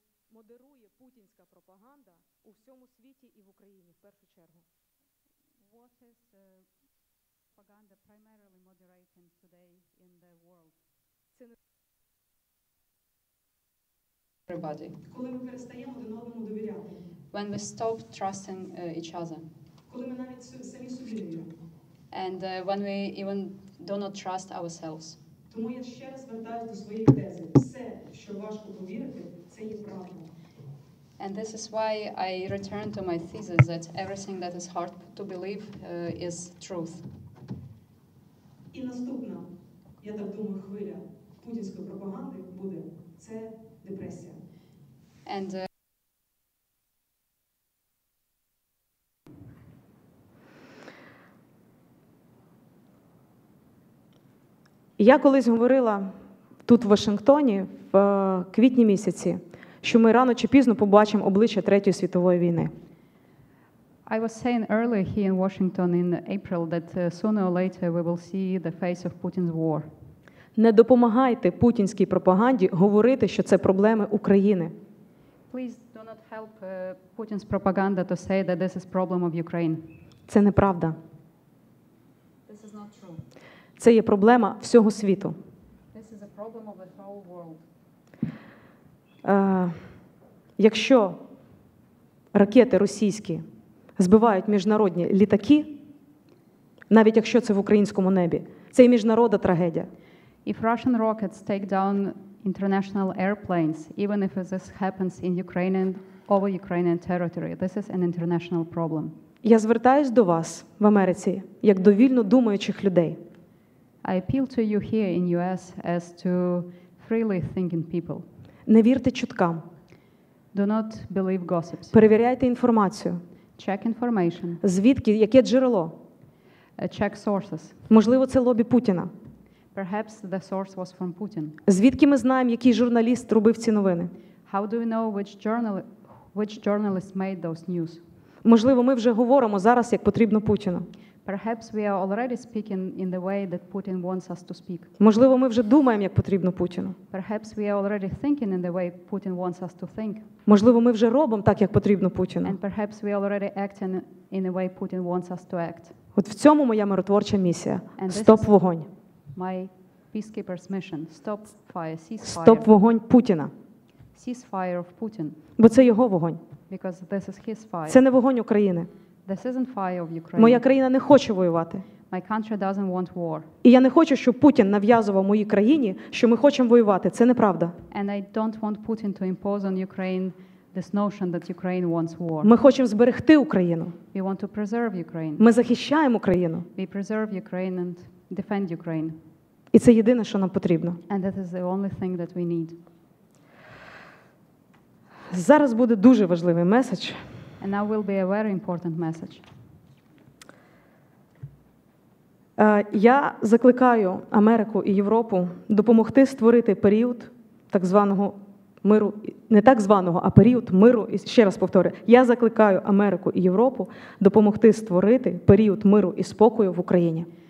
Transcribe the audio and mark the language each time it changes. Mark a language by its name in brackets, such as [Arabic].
[Ukrainian] Модерує путінська пропаганда у всьому світі і в Україні в першу чергу. [English] What is propaganda primarily moderating today in the world? [Ukrainian] Це не [English] everybody. [Ukrainian] Коли ми перестаємо один одному довіряти. [English] When we stop trusting each other. [Ukrainian] Коли ми навіть самі собі довіряємо. [English] And when we even do not trust ourselves. [Ukrainian] Тому я ще раз вертаюсь до своїх тез. Все, що важко повірити, це є правда. [English] And this is why I return to my thesis that everything that is hard to believe is truth. [Ukrainian] І наступна, я так думаю, хвиля путінської пропаганди буде – це депресія. [English] And [Ukrainian] я колись говорила тут, в Вашингтоні, в квітні місяці, що ми рано чи пізно побачимо обличчя Третьої світової війни. [English] I was saying earlier here in Washington in April that sooner or later we will see the face of Putin's war. [Ukrainian] Не допомагайте путінській пропаганді говорити, що це проблеми України. [English] Please do not help Putin's propaganda to say that this is problem of Ukraine. [Ukrainian] Це неправда. [English] This is not true. [Ukrainian] Це є проблема всього світу. [English] This is a problem of the whole world. [Ukrainian] Якщо ракети російські збивають міжнародні літаки, навіть якщо це в українському небі, це і міжнародна трагедія. [English] If Russian rockets take down international airplanes, even if this happens in Ukraine and over Ukrainian territory, this is an international problem. [Ukrainian] Я звертаюсь до вас в Америці як до вільно думаючих людей. [English] I appeal to you here in US as to freely thinking people. [Ukrainian] Не вірте чуткам. [English] Do not believe gossips. [Ukrainian] Перевіряйте інформацію. [English] Check information. [Ukrainian] Звідки, яке джерело? [English] Check sources. [Ukrainian] Можливо, це лобі Путіна. [English] Perhaps the source was from Putin. [Ukrainian] Звідки ми знаємо, який журналіст робив ці новини? [English] How do we know which journalist made those news? [Ukrainian] Можливо, ми вже говоримо зараз, як потрібно Путіну. [English] Perhaps we are already speaking in the way that Putin wants us to speak. [Ukrainian] Можливо, ми вже думаємо, як потрібно Путіну. [English] Perhaps we are already thinking in the way Putin wants us to think. [Ukrainian] Можливо, ми вже робимо так, як потрібно Путіну. [English] And perhaps we are already acting in the way Putin wants us to act. [Ukrainian] От в цьому моя миротворча місія. Стоп вогонь. [English] My peacekeeper's mission. Stop fire, cease fire. [Ukrainian] Стоп вогонь Путіна. [English] Cease fire of Putin. [Ukrainian] Бо це його вогонь. [English] Because this is his fire. [Ukrainian] Це не вогонь України. [English] This isn't fire of Ukraine. [Ukrainian] Моя країна не хоче воювати. [English] My country doesn't want war. [Ukrainian] І я не хочу, щоб Путін нав'язував моїй країні, що ми хочемо воювати. Це неправда. [English] And I don't want Putin to impose on Ukraine this notion that Ukraine wants war. [Ukrainian] Ми хочемо зберегти Україну. [English] We want to preserve Ukraine. [Ukrainian] Ми захищаємо Україну. [English] We preserve Ukraine and defend Ukraine. [Ukrainian] І це єдине, що нам потрібно. [English] And that is the only thing that we need. [Ukrainian] Зараз буде дуже важливий меседж. [English] And now will be a very important message. [Ukrainian] Я закликаю Америку і Європу допомогти створити період так званого миру, не так званого, а період миру, і ще раз повторюю, я закликаю Америку і Європу допомогти створити період миру і спокою в Україні.